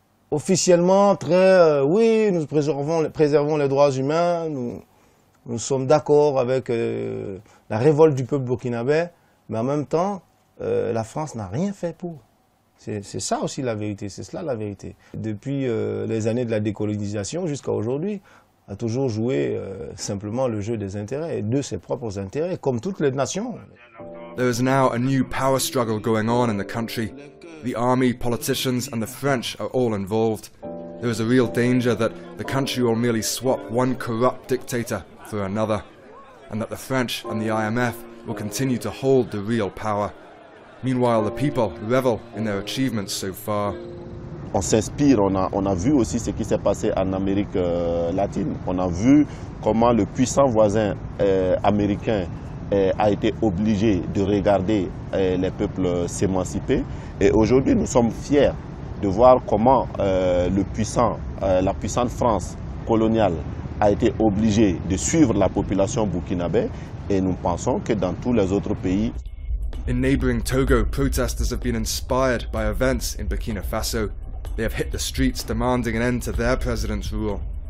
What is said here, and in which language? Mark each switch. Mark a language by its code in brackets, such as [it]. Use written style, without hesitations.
[fr] Officiellement, très... oui, nous préservons les droits humains, nous sommes d'accord avec la révolte du peuple burkinabé, mais en même temps, la France n'a rien fait pour. C'est ça aussi la vérité, c'est cela la vérité. Depuis les années de la décolonisation jusqu'à aujourd'hui, a toujours joué simplement le jeu des intérêts et de ses propres intérêts, comme toutes les nations. [en] There is now a new power struggle going on in the country. The army, politicians and the French are all involved. There is a real danger that the country will merely swap one corrupt dictator for another, and that the French and the IMF will continue to hold the real power. Meanwhile, the people revel in their achievements so far. [fr] On s'inspire, on a vu aussi ce qui s'est passé en Amérique latine. On a vu comment le puissant voisin américain a été obligé de regarder les peuples s'émanciper. Et aujourd'hui, nous sommes fiers de voir comment la puissante France coloniale a été obligée de suivre la population burkinabé. Et nous pensons que dans tous les autres pays... [en] In neighboring Togo, protesters have been inspired by events in Burkina Faso. They have hit the streets demanding an end to their president's rule.